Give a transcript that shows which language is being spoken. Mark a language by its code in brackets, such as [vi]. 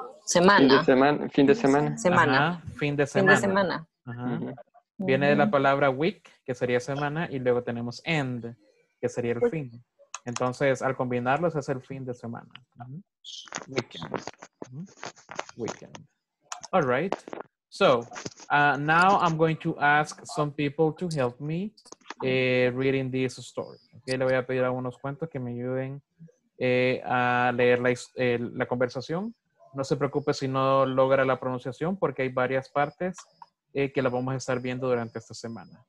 [es] Semana. Fin de semana. Semana. Ajá, fin de semana. Fin de semana. Ajá. Uh-huh. Viene de la palabra week, que sería semana, y luego tenemos end, que sería el fin. Entonces, al combinarlos, es el fin de semana. [en] Uh-huh. Weekend. Uh-huh. Weekend. All right. So, now I'm going to ask some people to help me reading this story. [es] Okay, le voy a pedir a unos cuantos que me ayuden a leer la conversación. No se preocupe si no logra la pronunciación porque hay varias partes que la vamos a estar viendo durante esta semana.